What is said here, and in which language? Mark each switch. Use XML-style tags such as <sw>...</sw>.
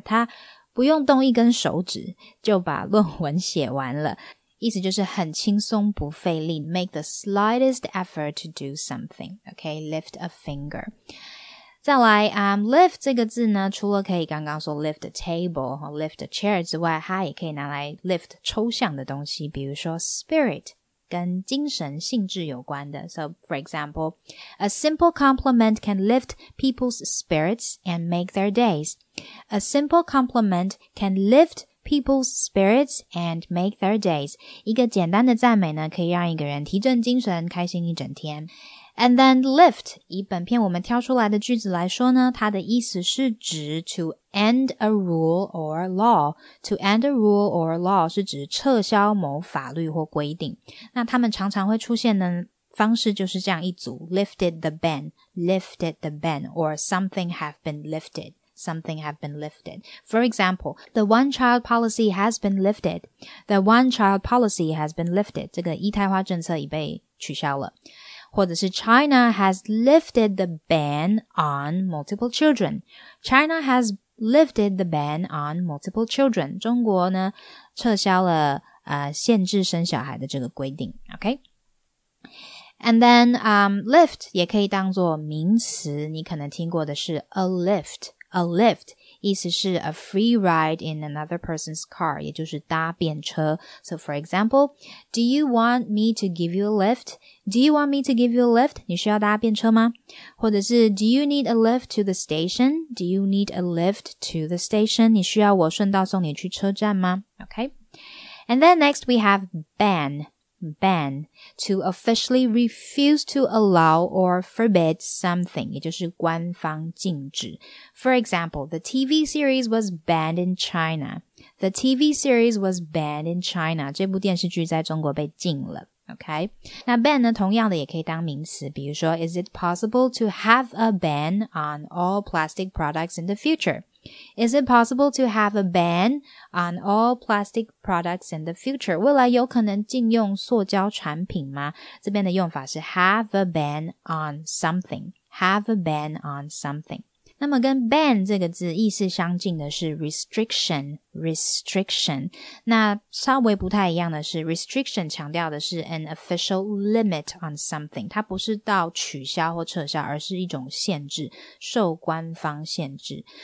<zh>他不用动一根手指就把论文写完了。意思就是很轻松不费力,</zh> <en>make the slightest effort to do something. Okay, lift a finger.</en> <zh>再来 lift 这个字呢除了可以刚刚说 lift a table 和 lift a chair 之外它也可以拿来 lift 抽象的东西比如说 spirit 跟精神性质有关的</zh> <en>So for example, a simple compliment can lift people's spirits and make their days. A simple compliment can lift people's spirits and make their days.</en> <zh>一个简单的赞美呢可以让一个人提振精神开心一整天 And then lift, 以本篇我们挑出来的句子来说呢它的意思是指</zh> <en>to end a rule or law. To end a rule or law</en> <zh>是指撤销某法律或规定。那他们常常会出现的方式就是这样一组</zh> <en>lifted the ban, or something have been lifted. Something have been lifted. For example, the one child policy has been lifted. The one child policy has been lifted.</en> <zh>这个一胎化政策已被取消了。或者是</zh> <en>China has lifted the ban on multiple children. China has lifted the ban on multiple children.</en> <zh>中国呢撤销了限制生小孩的这个规定。</zh> <en>Okay? And then,</en> <zh>lift 也可以当作名词。你可能听过的是 a lift. A lift,</zh> <en>意思是 a free ride in another person's car,</en> <zh>也就是搭便车。</zh> <en>So for example, do you want me to give you a lift? Do you want me to give you a lift?</en> <zh>你需要搭便车吗？或者是</zh> <en>do you need a lift to the station? Do you need a lift to the station?</en> <zh>你需要我顺道送你去车站吗？</zh> <en>Okay. And then next we have ban, to officially refuse to allow or forbid something,</en> <zh>也就是官方禁止。</zh> <en>For example, the TV series was banned in China. The TV series was banned in China.</en> <zh>这部电视剧在中国被禁了。</zh> <en>Okay,</en> <zh>那 ban 呢同样的也可以当名词，比如说</zh> <en>Is it possible to have a ban on all plastic products in the future? Is it possible to have a ban on all plastic products in the future?</en> <zh>未来有可能禁用塑胶产品吗？这边的用法是</zh> <en>have a ban on something. Have a ban on something.</en> <zh>那么跟 ban 这个字意思相近的是 restriction. 那稍微不太一样的是 restriction 强调的是</zh> <en>an official limit on something,</en> <zh>它不是到取消或撤销，而是一种限制，受官方限制。</zh>